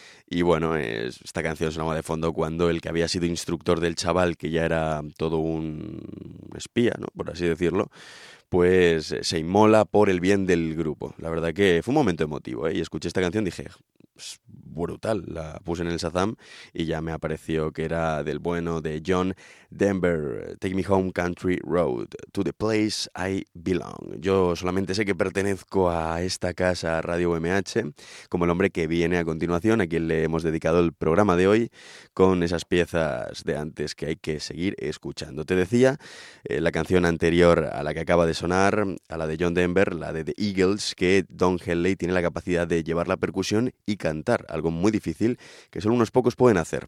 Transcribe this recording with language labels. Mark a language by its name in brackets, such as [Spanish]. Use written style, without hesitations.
[Spanish] Y bueno, esta canción sonaba de fondo cuando el que había sido instructor del chaval, que ya era todo un espía, ¿no?, por así decirlo, pues se inmola por el bien del grupo. La verdad que fue un momento emotivo, ¿eh? Y escuché esta canción y dije, es brutal. La puse en el Shazam y ya me apareció que era del bueno de John Denver. [English] Take me home, country road, to the place I belong. [Spanish] Yo solamente sé que pertenezco a esta casa, Radio UMH, como el hombre que viene a continuación, a quien le hemos dedicado el programa de hoy, con esas piezas de antes que hay que seguir escuchando. Te decía, la canción anterior a la que acaba de sonar, a la de John Denver, la de The Eagles, que Don Henley tiene la capacidad de llevar la percusión y cantar, algo muy difícil que solo unos pocos pueden hacer.